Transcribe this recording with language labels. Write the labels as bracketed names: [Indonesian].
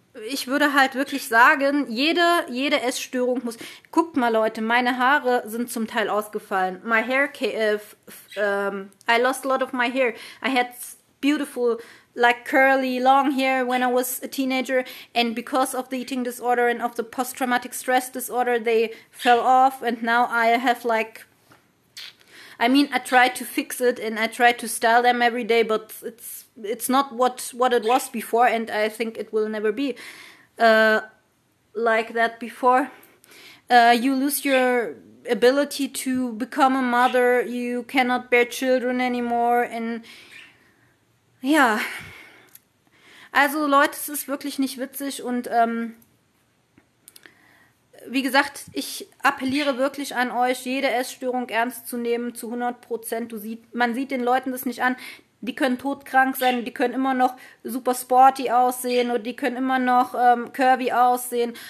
[German] Ich würde halt wirklich sagen, jede Essstörung muss... Guckt mal, Leute, meine Haare sind zum Teil ausgefallen. [English] My hair came... I lost a lot of my hair. I had beautiful, like curly long hair when I was a teenager, and because of the eating disorder and of the post-traumatic stress disorder, they fell off, and now I have like I mean, I try to fix it and I try to style them every day, but it's not what it was before, and I think it will never be like that before. You lose your ability to become a mother, you cannot bear children anymore, and yeah. [German] Also Leute, es ist wirklich nicht witzig und wie gesagt, ich appelliere wirklich an euch, jede Essstörung ernst zu nehmen, zu 100%. Man sieht den Leuten das nicht an. Die können todkrank sein, die können immer noch super sporty aussehen oder die können immer noch curvy aussehen.